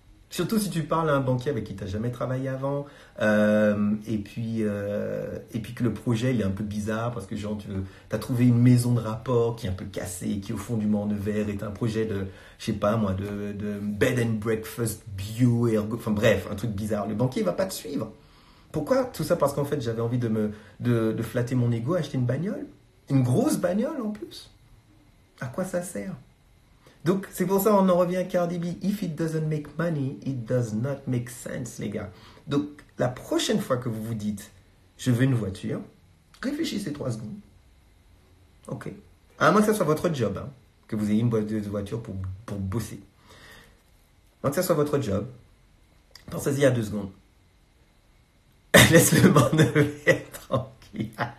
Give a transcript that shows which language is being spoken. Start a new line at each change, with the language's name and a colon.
French: Surtout si tu parles à un banquier avec qui tu n'as jamais travaillé avant, et puis que le projet il est un peu bizarre parce que genre tu as trouvé une maison de rapport qui est un peu cassée, qui au fond du mât de verre est un projet de, je sais pas moi, de bed and breakfast bio, ergo, enfin bref, un truc bizarre. Le banquier ne va pas te suivre. Pourquoi? Tout ça parce qu'en fait j'avais envie de flatter mon ego, acheter une bagnole, une grosse bagnole en plus. À quoi ça sert? Donc, c'est pour ça qu'on en revient à Cardi B.
English: If it doesn't make money, it does not make sense,
French: les gars. Donc, la prochaine fois que vous vous dites, je veux une voiture, réfléchissez 3 secondes. Ok. À moins que ce soit votre job, hein, que vous ayez une boîte de voiture pour bosser. À moins que ce soit votre job, pensez-y à 2 secondes. Laisse le monde de verre tranquille.